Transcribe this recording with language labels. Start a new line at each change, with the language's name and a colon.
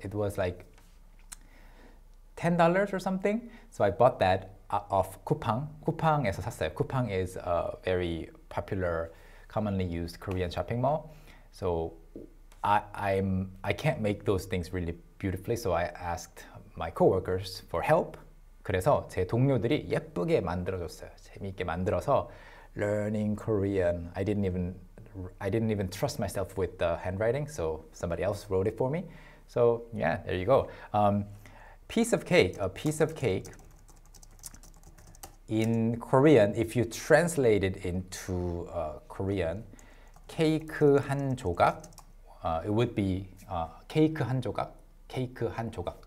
English: It was like $10 or something. So I bought that off Coupang.
Korean: Coupang에서 샀어요.
English: Coupang is a very popular, commonly used Korean shopping mall. So I can't make those things really beautifully, so I asked my coworkers for help.
Korean: 그래서 제 동료들이 예쁘게 만들어줬어요. 재미있게 만들어서
English: learning Korean. I didn't even trust myself with the handwriting, so somebody else wrote it for me. So yeah, there you go. Piece of cake. A piece of cake in Korean, if you translate it into Korean,
Korean: 케이크 한 조각,
English: it would be 케이크 한 조각, 케이크 한 조각.